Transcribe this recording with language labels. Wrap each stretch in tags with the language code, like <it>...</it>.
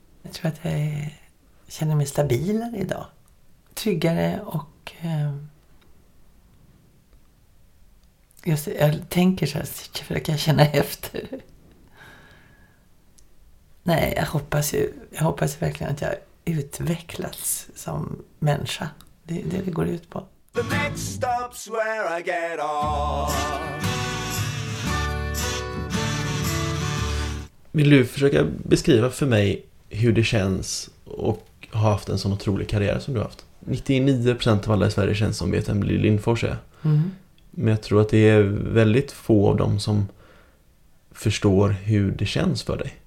<sv>Jag tror att jag känner mig stabilare idag. Tryggare och... jag tänker så här, för det kan jag känna efter. Nej, jag hoppas verkligen att jag utvecklats som människa. Det går ut på.</sv> <en>The next stop's where I get off.</en> <sv>Vill du försöka beskriva för mig hur det känns och ha haft en sån otrolig karriär som du har haft? 99% av alla i Sverige känns som vet vem Lill Lindfors är. Men jag tror att det är väldigt få av dem som förstår hur det känns för dig.</sv>